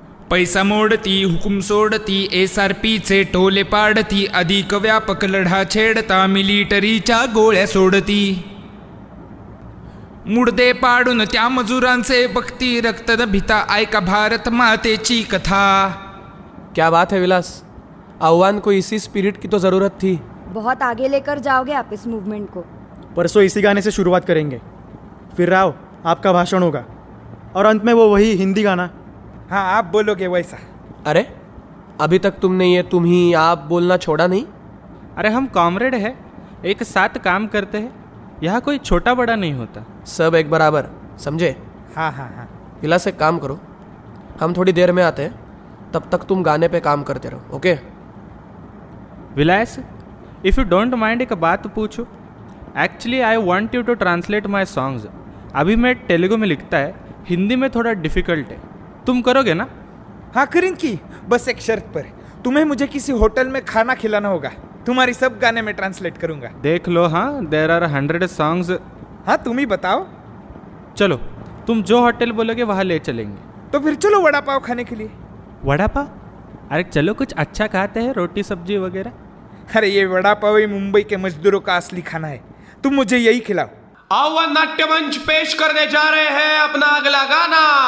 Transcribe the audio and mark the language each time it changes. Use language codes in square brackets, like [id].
[mr] पैसा मोडती हुकुम सोडती एसआरपीचे टोले पाडती, अधिक व्यापक लढा छेडता मिलिटरीच्या गोळ्या सोडती. मुडदे पाडून त्या मजुरांचे भक्ती रक्त भिता, ऐका भारत मातेची कथा. [hi] क्या बात है विलास, आव्हान को इसी स्पिरिट की तो जरूरत थी. बहुत आगे लेकर जाओगे आप इस मूवमेंट को. परसों इसी गाने से शुरुआत करेंगे, फिर राव आपका भाषण होगा और अंत में वो वही हिंदी गाना. हाँ आप बोलोगे वैसा. अरे अभी तक तुमने ये तुम ही आप बोलना छोड़ा नहीं? अरे हम कॉमरेड है, एक साथ काम करते हैं, यहाँ कोई छोटा बड़ा नहीं होता, सब एक बराबर, समझे? हाँ हाँ हाँ. विलास एक काम करो, हम थोड़ी देर में आते हैं, तब तक तुम गाने पर काम करते रहो. Okay Vilas, [en] If you don't mind, [hi] एक बात पूछो. [en] Actually, I want you to translate my songs. [hi] अभी मैं तेलुगु में लिखता है, हिंदी में थोड़ा difficult है. तुम करोगे ना? हाँ करेंगी, बस एक शर्त पर. तुम्हें मुझे किसी होटल में खाना खिलाना होगा. तुम्हारी सब गाने में ट्रांसलेट करूँगा. देख लो हाँ, [en] there are 100 songs. [hi] हाँ तुम ही बताओ. चलो तुम जो होटल बोलोगे वहाँ ले चलेंगे. तो फिर चलो वड़ा पाव खाने के लिए. वड़ा पाव? अरे चलो कुछ अच्छा खाते हैं, रोटी सब्जी वगैरह. अरे ये वड़ा पाव ही मुंबई के मजदूरों का असली खाना है, तुम मुझे यही खिलाओ. आओ नाट्य मंच पेश करने जा रहे हैं अपना अगला गाना.